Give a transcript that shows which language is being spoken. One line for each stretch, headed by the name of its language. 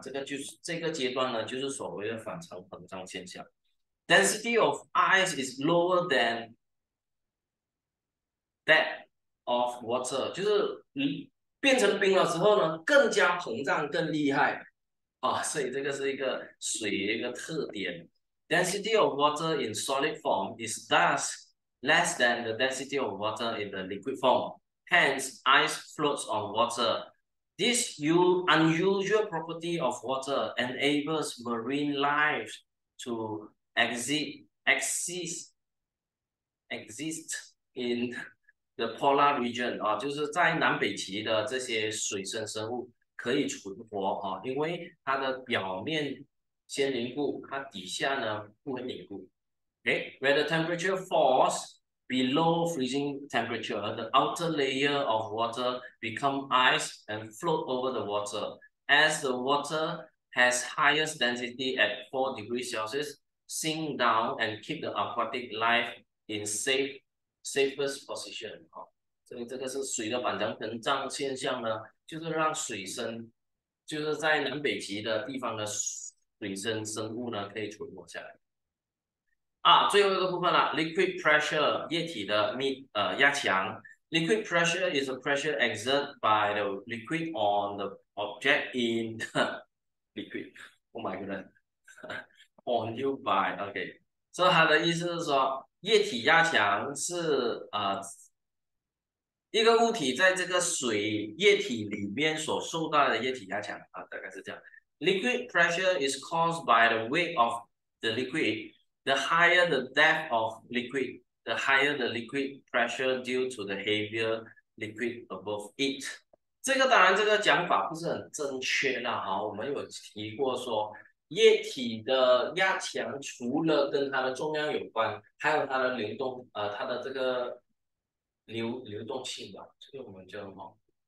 Chinese: 这个就是这个阶段呢，就是所谓的反常膨胀现象。
English: Density of ice is lower than that of water，
Chinese: 就是变成冰了之后呢，更加膨胀更厉害啊。所以这个是一个水的一个特点。
English: Density of water in solid form is thus less than the density of water in the liquid form. Hence, ice floats on water. This unusual property of water enables marine life to exist in the polar region.
Chinese: 啊，就是在南北极的这些水生生物可以存活啊，因为它的表面先凝固，它底下呢不会凝固。
English: Okay，where the temperature falls below freezing temperature, the outer layer of water become ice and float over the water. As the water has highest density at 4 degrees Celsius, sink down and keep the aquatic life in safest position.
Chinese: 哦，所以这个是水的反常膨胀现象呢，就是让水生，就是在南北极的地方的水。水生生物呢可以存活下来啊，最后一个部分了，
English: liquid pressure 液体的压强，liquid pressure is a pressure exerted by the liquid
Chinese: on the object in the liquid，
English: Oh my god，on you by，OK，
Chinese: 所以它的意思是说，液体压强是一个物体在这个水液体里面所受到的液体压强啊，大概是这样。
English: Liquid pressure is caused by the weight of the liquid. The higher the depth of liquid, the higher the liquid pressure due to the heavier liquid above it.
Chinese: 这个当然，这个讲法不是很正确啦。好，我们有提过说，液体的压强除了跟它的重量有关，还有它的流动，它的这个流动性吧，这个我们叫什么？